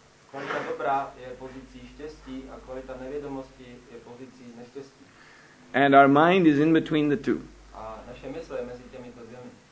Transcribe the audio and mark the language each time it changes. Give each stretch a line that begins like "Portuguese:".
Czech: Kvalita dobrá je pozicí štěstí a kvalita nevědomosti je pozicí neštěstí.
English: And our mind is in between the two.
Czech: A naše mysl je mezi těmito dvěmi.